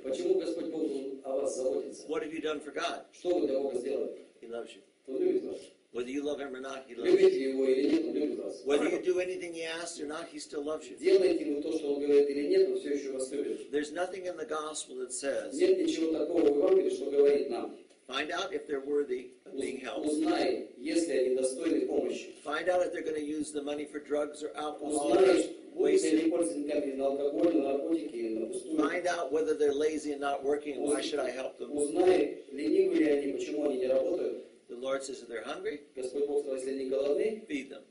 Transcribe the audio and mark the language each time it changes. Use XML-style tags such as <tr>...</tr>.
<ru>Почему Господь Бог о вас заботится?</ru> <en>What have you done for God?</en> <ru>Что вы для Бога сделали?</ru> <en>He loves you.</en> <ru>Он любит вас.</ru> <en>Whether you love him or not, he loves you.</en> <ru>Любите его или нет, он любит вас.</ru> <en>Whether you do anything he asks or not, he still loves you.</en> <ru>Делаете ему то, что он говорит или нет, он все еще вас любит.</ru> <en>There's nothing in the gospel that says.</en> <ru>Нет ничего такого в Евангелии, что говорит нам.</ru> <en>Find out if they're worthy of being helped.</en> <ru>Узнай, если они достойны помощи.</ru> <en>Find out if they're going to use the money for drugs or alcohol. Find out whether they're lazy and not working. Why should I help them? The Lord says if they're hungry, feed them.</en>